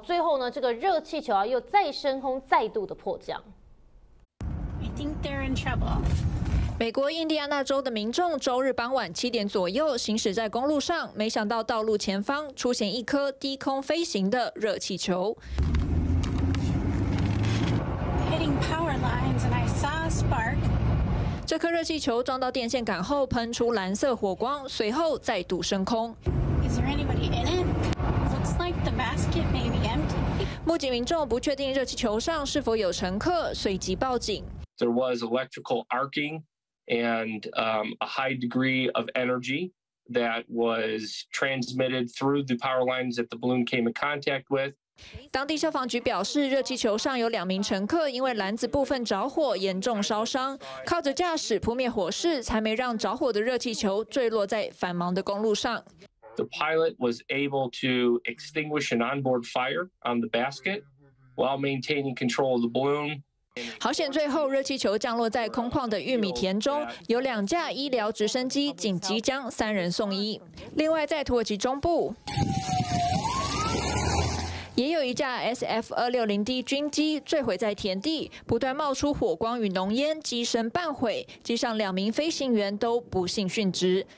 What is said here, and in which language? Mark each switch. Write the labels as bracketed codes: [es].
[zh] 最后呢，这个热气球啊又再升空，再度的迫降。 [en] I think they're in trouble. [zh] 美国印第安纳州的民众周日傍晚7点左右行驶在公路上，没想到道路前方出现一颗低空飞行的热气球。 [en] Hitting power lines and I saw a spark. [zh] 这颗热气球撞到电线杆后喷出蓝色火光，随后再度升空。 [en] Is there anybody in it? Looks like the basket may be empty. [zh] 目击民众不确定热气球上是否有乘客，随即报警。 [en] There was electrical arcing. And a high degree of energy that was transmitted through the power lines that the balloon came in contact with. [zh] 当地消防局表示，热气球上有2名乘客因为篮子部分着火严重烧伤，靠着驾驶扑灭火势，才没让着火的热气球坠落在繁忙的公路上。 [en] The pilot was able to extinguish an onboard fire on the basket while maintaining control of the balloon. [zh] 好险最后热气球降落在空旷的玉米田中，有2架医疗直升机紧急将3人送医。另外在土耳其中部也有一架 SF-260D 军机坠毁在田地，不断冒出火光与浓烟，机身半毁，机上2名飞行员都不幸殉职。